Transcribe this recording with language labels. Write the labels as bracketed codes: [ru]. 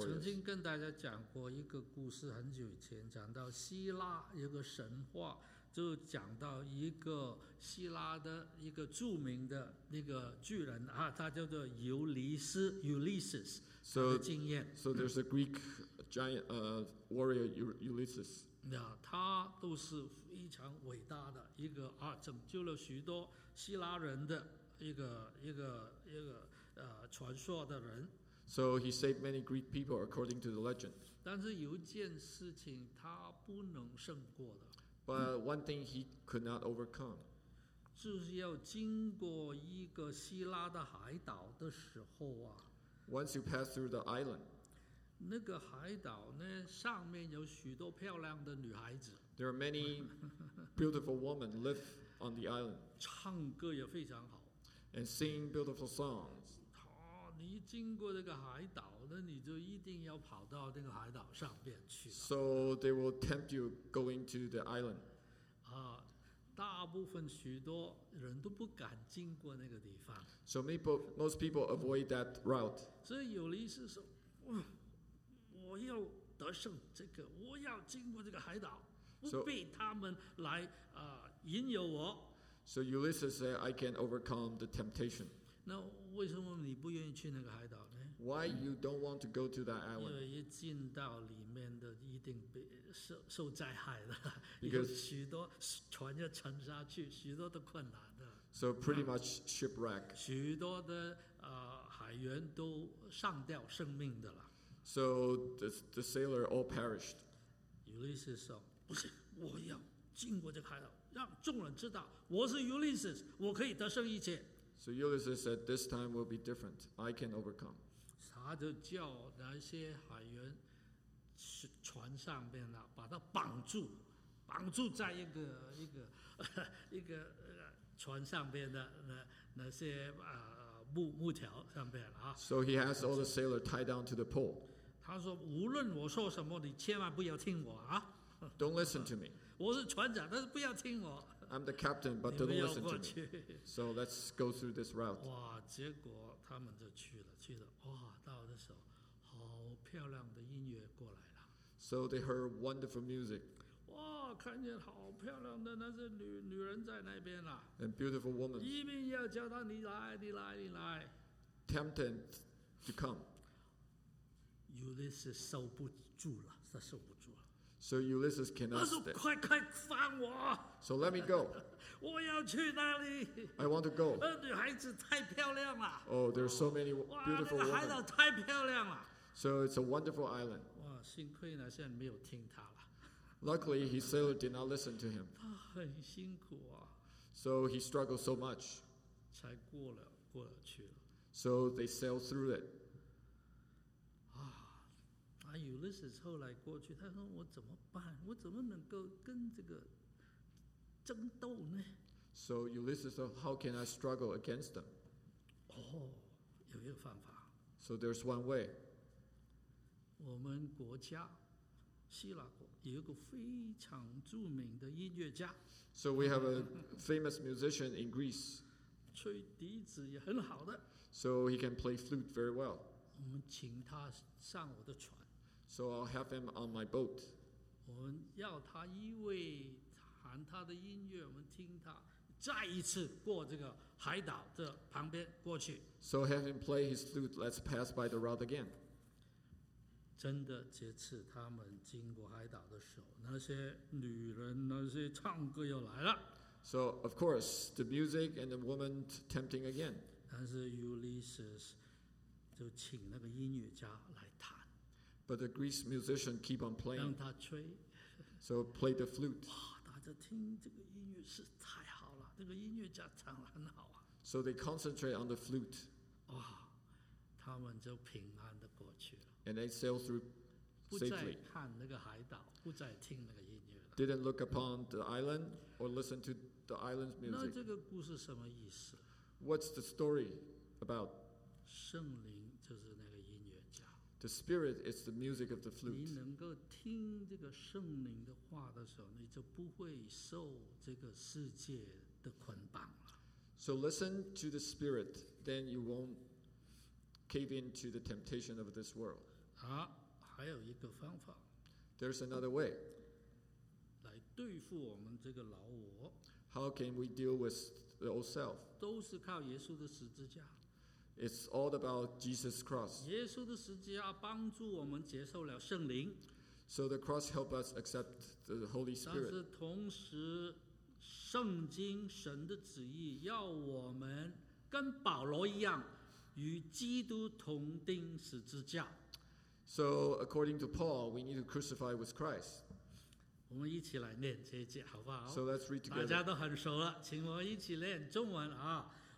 [zh] 曾经跟大家讲过一个故事，很久以前讲到希腊一个神话，就讲到一个希腊的一个著名的那个巨人啊，他叫做尤利斯 Ulysses 的经验。 [en] So there's a Greek giant, warrior Ulysses. [zh] 他都是非常伟大的一个啊，拯救了许多希腊人的一个传说的人。 [en] So he saved many Greek people according to the legend. [zh] 但是有一件事情他不能胜过的。 [en] But one thing he could not overcome. [zh] 就是要经过一个希腊的海岛的时候啊。 [en] Once you pass through the island. [zh] 那个海岛呢，上面有许多漂亮的女孩子。 [en] There are many beautiful women live on the island. [zh] 唱歌也非常好。 [en] And sing beautiful songs. [zh] 你经过这个海岛，那你就一定要跑到那个海岛上面去了。 [en] So they will tempt you going to the island. [zh] 啊，大部分许多人都不敢经过那个地方。 [en] So most people avoid that route. [zh] 所以有的意思是，我要得胜这个，我要经过这个海岛，不被他们来啊引诱我。 [en] So Ulysses said, "I can overcome the temptation." [zh] 那为什么你不愿意去那个海岛呢 [en] ？Why you don't want to go to that island？ [zh] 因为一进到里面的一定被受灾害的， [en] Because、 [zh] 有许多船要沉下去，许多的困难的。 [en] So pretty much shipwreck。 [zh] 许多的海员都上吊生命的了。 [en] So the sailor all perished。 [zh] Ulysses 说：“不是，我要经过这个海岛，让众人知道我是 Ulysses， 我可以得胜一切。” [en] So Ulysses said, "This time will be different. I can overcome." [zh] 他就叫那些海员船上边了，把他绑住，绑住在一个船上边的那些木条上边啊。 [en] So he has all the sailor tied down to the pole. [zh] 他说，无论我说什么，你千万不要听我啊。 [en] Don't listen to me. [zh] 我是船长，但是不要听我。 [en] I'm the captain, but don't listen to me. So let's go through this route. [zh] 哇，结果他们就去了。哇，到的时候，好漂亮的音乐过来了。 [en] So they heard wonderful music. [zh] 哇，看见好漂亮的那些女人在那边了。 [en] And beautiful women. [zh] 一面要叫他你来。 [en] Tempted to come. [zh] Ulysses 受不住了。 [en] So Ulysses cannot stay. [zh] 快快放我。 [en] So let me go. [zh] 我要去那里。 [en] I want to go. [zh] 女孩子太漂亮了。 [en] Oh, there are so many beautiful women. [zh] 哇，那个海岛太漂亮了。 [en] So it's a wonderful island. [zh] 哇，幸亏呢，现在没有听他了。 [en] Luckily, his sailor did not listen to him. [zh] 他很辛苦啊。 [en] So he struggled so much. [zh] 才过了去了。 [en] So they sailed through it. [zh] 啊 ，Ulysses 后来过去，他说：“我怎么办？我怎么能够跟这个争斗呢 [en] ？”So Ulysses, how can I struggle against them? [zh] 哦，有一个方法。 [en] So there's one way. [zh] 我们国家希腊国有一个非常著名的音乐家。 [en] So we have a famous musician in Greece. [zh] 吹笛子也很好的。 [en] So he can play flute very well. [zh] 我们请他上我的船。 [en] So I'll have him on my boat. [zh] 我们要他一位弹他的音乐，我们听他再一次过这个海岛的旁边过去。 [en] So have him play his flute. Let's pass by the route again. [zh] 真的，这次他们经过海岛的时候，那些女人那些唱歌又来了。 [en] So of course the music and the woman tempting again. [zh] 但是 Ulysses 就请那个音乐家来弹。 [en] But the Greek musician keep on playing. [zh] 让他吹, [en] so play the flute. [zh] 哇,大家听这个音乐是太好了,这个音乐家唱得很好啊。 [en] So they concentrate on the flute. [zh] 哇,他们就平安地过去了。 [en] And they sail through safely. [zh] 不再看那个海岛,不再听那个音乐了。 [en] Didn't look upon the island or listen to the island's music. [zh] 那这个故事什么意思? [en] What's the story about? [zh] 圣灵就是那个音乐家。 [en] The spirit is the music of the flute. [zh] 你能够听这个圣灵的话的时候, 你就不会受这个世界的捆绑了。 [en] So listen to the spirit, then you won't cave into the temptation of this world. [zh] 好,还有一个方法。 [en] There's another way. [zh] 来对付我们这个老我。 [en] How can we deal with the old self? [zh] 都是靠耶稣的十字架。 [en] It's all about Jesus' cross. [zh] 耶稣的十字架帮助我们接受了圣灵。 [en] So the cross helped us accept the Holy Spirit. [zh] 但是同时圣经神的旨意要我们跟保罗一样与基督同钉十字架。 [en] So according to Paul, we need to crucify with Christ. [zh] 我们一起来念这一节好不好? [en] So let's read together. [zh] 大家都很熟了,请我一起念中文啊。